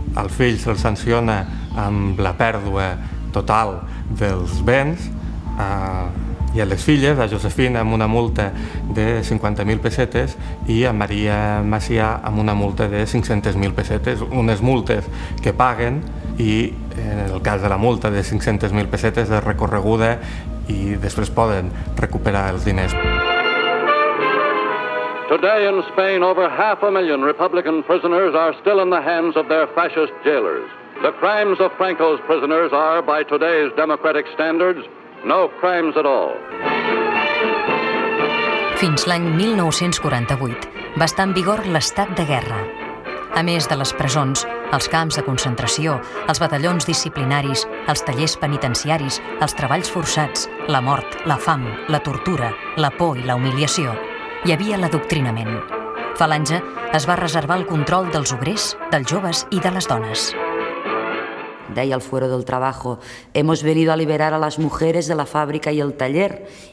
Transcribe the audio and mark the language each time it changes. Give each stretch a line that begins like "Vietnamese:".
Catalan: El fill se'l sanciona amb la pèrdua total dels béns, i a les filles, a Josefina, amb una multa de 50.000 pessetes i a Maria Macià amb una multa de 500.000 pessetes, unes multes que paguen, i en el cas de la multa de 500.000 pessetes és recorreguda i després poden recuperar els diners.
English: Today in Spain over half a million Republican prisoners are still in the hands of their fascist jailers. The crimes of Franco's prisoners are, by today's democratic standards, no crimes at all.
Catalan: Fins l'any 1948 va estar en vigor l'estat de guerra. A més de les presons, els camps de concentració, els batallons disciplinaris, els tallers penitenciaris, els treballs forçats, la mort, la fam, la tortura, la por i la humiliació, hi havia l'adoctrinament. Falange es va reservar el control dels obrers, dels joves i de les dones. Deia el Fuero del Trabajo:
Spanish: hemos venido a liberar a las mujeres de la fábrica y el taller.